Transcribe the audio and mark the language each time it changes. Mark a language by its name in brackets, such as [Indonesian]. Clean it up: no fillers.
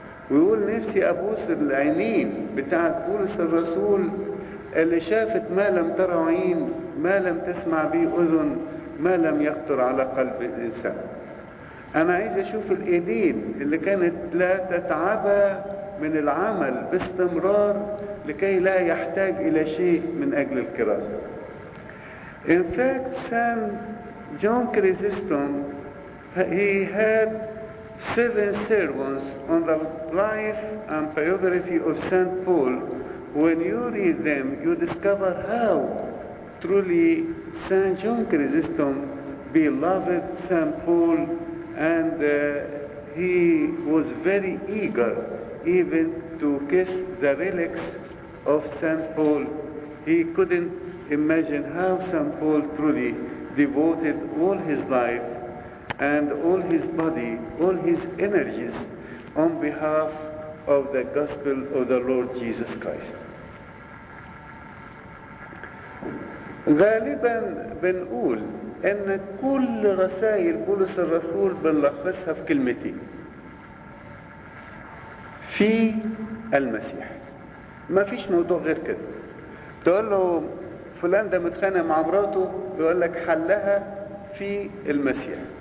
[Arabic] ويقول نفسي ابوس العينين بتاعت بولس الرسول اللي شافت ما لم تر عين، ما لم تسمع به اذن، ما لم يخطر على قلب الانسان. انا عايز اشوف الايدين اللي كانت لا تتعب من العمل باستمرار لكي لا يحتاج الى شيء من اجل الكراسة. [English] In fact, Saint John Chrysostom, he had 7 sermons on the life and biography of Saint Paul. When you read them, you discover how truly Saint John Chrysostom beloved Saint Paul, and he was very eager even to kiss the relics of Saint Paul. He couldn't imagine how Saint Paul truly devoted all his life and all his body, all his energies on behalf of the gospel of the Lord Jesus Christ. [Arabic] غالبا بنقول ان كل رسائل بولس الرسول بنلخصها في كلمتين: في المسيح. ما فيش موضوع غير كده. تقول له فلان ده متخانق مع مراته، يقول لك حلها في المسيح.